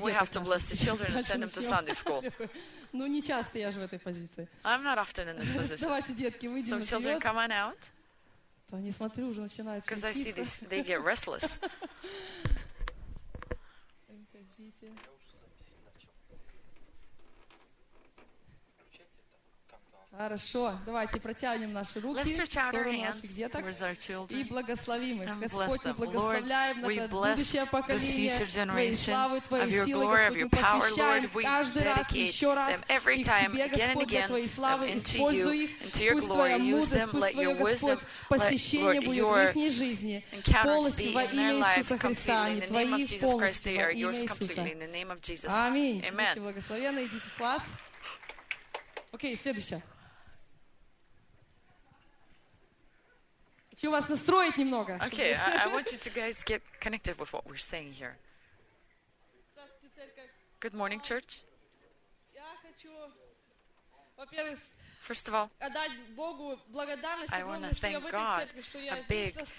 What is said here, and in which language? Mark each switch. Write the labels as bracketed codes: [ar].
[en] We have to bless the children and send them to Sunday school. [ru] Ну не часто я же в этой позиции. [en] I'm not often in this position. [ru] Давайте, детки, выйдем. [en] Some children come on out. [ru] То они смотрю уже начинают. [en] Because I see these, they get restless. [ru] Выходите. Хорошо, давайте протянем наши руки в сторону наших деток и благословим их. Господь, мы благословляем на это будущее поколение Твоей славы, Твоей силы, Господь, мы посвящаем каждый раз, еще раз их Тебе, Господь, для Твоей славы, используй их, пусть Твоя мудрость, пусть Твое, Господь, посвящение будет в их жизни полностью во имя Иисуса Христа, не Твои полностью, во имя Иисуса. Аминь. Будьте благословенны, идите в класс. Окей, следующее. Хочу вас настроить немного. [en] Okay, I want you to guys get connected with what we're saying here. Good morning, church. [ru] Я хочу, во-первых, [en] first of all, I want to thank God, a big